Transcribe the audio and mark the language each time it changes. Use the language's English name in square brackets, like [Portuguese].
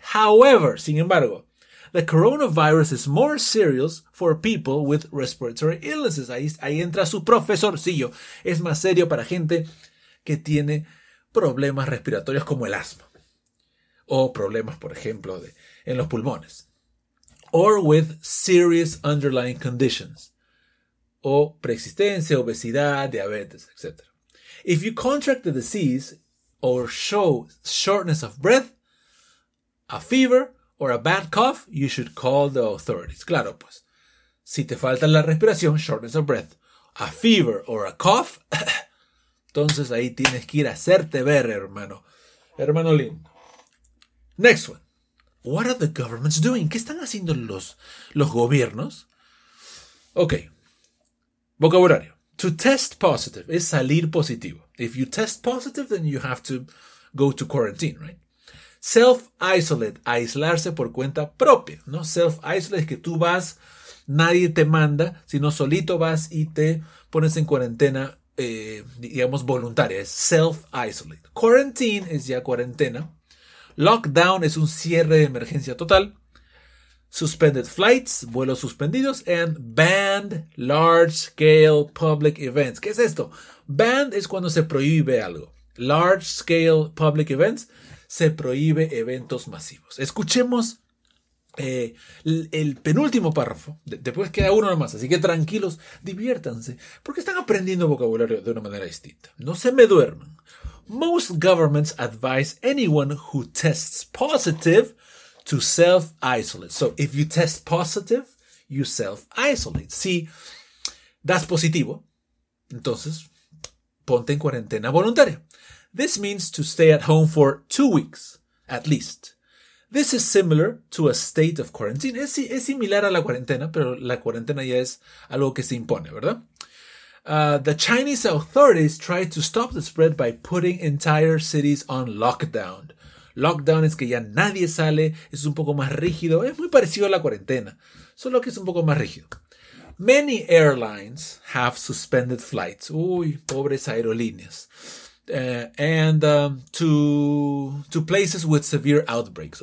[English] However, [Spanish] sin embargo, [English] the coronavirus is more serious for people with respiratory illnesses. [Spanish] Ahí entra su profesorcillo. Es más serio para gente que tiene problemas respiratorios como el asma. O problemas, por ejemplo, en los pulmones. [English] Or with serious underlying conditions. [Spanish] O preexistencia, obesidad, diabetes, etc. [English] If you contract the disease or show shortness of breath, a fever or a bad cough, you should call the authorities. [Spanish] Claro, pues, si te falta la respiración, [English] shortness of breath, a fever or a cough, [Spanish] entonces ahí tienes que ir a hacerte ver, hermano. Hermano lindo. [English] Next one. What are the governments doing? [Spanish] ¿Qué están haciendo los gobiernos? Ok. Vocabulario. To test positive es salir positivo. [English] If you test positive, then you have to go to quarantine, right? [Spanish] Self-isolate. Aislarse por cuenta propia, ¿no? Self-isolate es que tú vas, nadie te manda, sino solito vas y te pones en cuarentena, digamos, voluntaria. Es self-isolate. [English] Quarantine [Spanish] es ya cuarentena. Lockdown es un cierre de emergencia total. [English] Suspended flights, [Spanish] vuelos suspendidos. [English] And banned large-scale public events. [Spanish] ¿Qué es esto? Banned es cuando se prohíbe algo. [English] Large-scale public events, [Spanish] se prohíbe eventos masivos. Escuchemos el penúltimo párrafo. Después queda uno nomás, así que tranquilos, diviértanse. Porque están aprendiendo vocabulario de una manera distinta. No se me duerman. [English] Most governments advise anyone who tests positive to self-isolate. So, if you test positive, you self-isolate. [Spanish] Si das positivo, entonces ponte en cuarentena voluntaria. [English] This means to stay at home for 2 weeks, at least. This is similar to a state of quarantine. [Spanish] Es similar a la cuarentena, pero la cuarentena ya es algo que se impone, ¿verdad? [English] The Chinese authorities tried to stop the spread by putting entire cities on lockdown. [Spanish] Lockdown es que ya nadie sale, es un poco más rígido, es muy parecido a la cuarentena, solo que es un poco más rígido. [English] Many airlines have suspended flights. [Spanish] Uy, pobres aerolíneas. [English] To places with severe outbreaks.